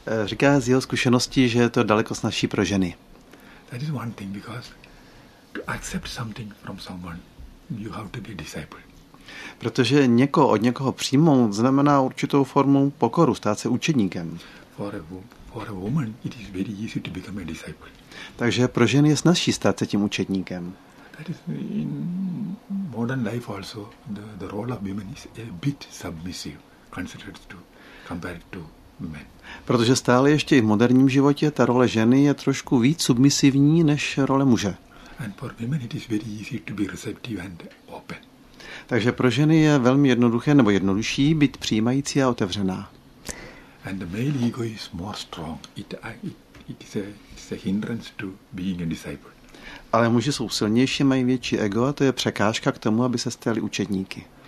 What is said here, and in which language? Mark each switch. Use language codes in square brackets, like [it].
[cs] Říká z jeho zkušenosti, že je to daleko snazší pro ženy. [en] That is one thing, because to accept something from someone, you have to be a disciple. [cs] Protože někoho od někoho přijmout znamená určitou formu pokoru, stát se učedníkem. [en] For a woman it is very easy to become a disciple. [cs] Takže pro ženy je snazší stát se tím učedníkem. [en] That is in modern life also the role of women is a bit submissive considered to compared to men. [cs] Protože stále ještě i v moderním životě ta role ženy je trošku víc submisivní než role muže. [en] And for women it is very easy to be receptive and open. [cs] Takže pro ženy je velmi jednoduché nebo jednodušší být přijímající a otevřená. [en] And the male ego is more strong. It is a hindrance to being a disciple. [cs] Ale muži jsou silnější, mají větší ego a to je překážka k tomu, aby se stali učedníky.